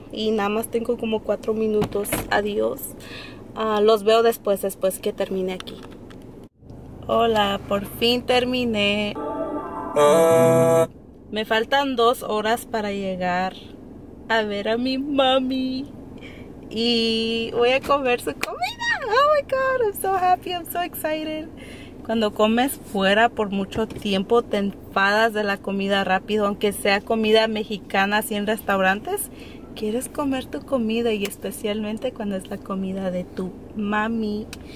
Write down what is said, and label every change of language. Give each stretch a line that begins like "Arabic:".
Spanish: Y nada más tengo como 4 minutos. Adiós. Los veo después que termine aquí. Hola, por fin terminé. Me faltan 2 horas para llegar a ver a mi mami. Y voy a comer su comida.
English: Oh my God, I'm so happy, I'm so excited.
Spanish: Cuando comes fuera por mucho tiempo, te enfadas de la comida rápido, aunque sea comida mexicana, así en restaurantes. Quieres comer tu comida, y especialmente cuando es la comida de tu mami.